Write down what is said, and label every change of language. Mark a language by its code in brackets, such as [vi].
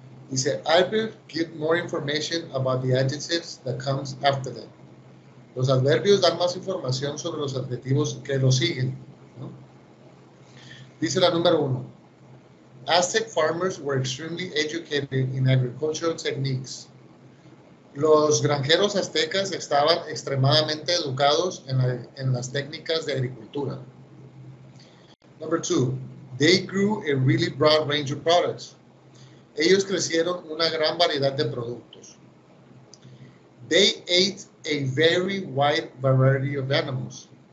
[en] Dice, adverbs give more information about the adjectives that comes after them. [es] Los adverbios dan más información sobre los adjetivos que los siguen, ¿no? Dice la número 1. [en] Aztec farmers were extremely educated in agricultural techniques. [es] Los granjeros aztecas estaban extremadamente educados en las técnicas de agricultura. [en] Number 2. They grew a really broad range of products. [es] Ellos crecieron una gran variedad de productos. [en] They ate a very wide variety of animals.